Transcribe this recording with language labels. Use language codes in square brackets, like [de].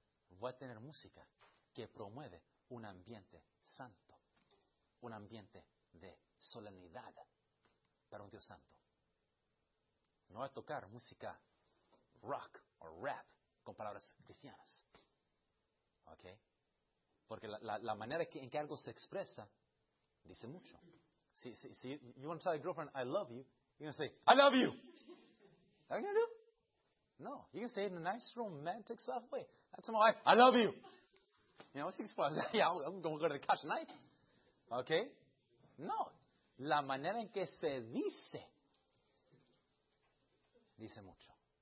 [es] Voy a tener música que promueve un ambiente santo, un ambiente de solemnidad para un Dios santo. No a tocar música rock o rap con palabras cristianas. ¿Ok? Porque la manera en que algo se expresa dice mucho. [en] Si you want to tell your girlfriend, I love you, you're going to say, I love you. What are you going to do? No. You can say it in a nice, romantic, soft way. That's my wife. I love you. You know, she's supposed to say, yeah, I'm going to go to the couch tonight. [es] ¿Ok? No. La manera en que se dice, dice mucho.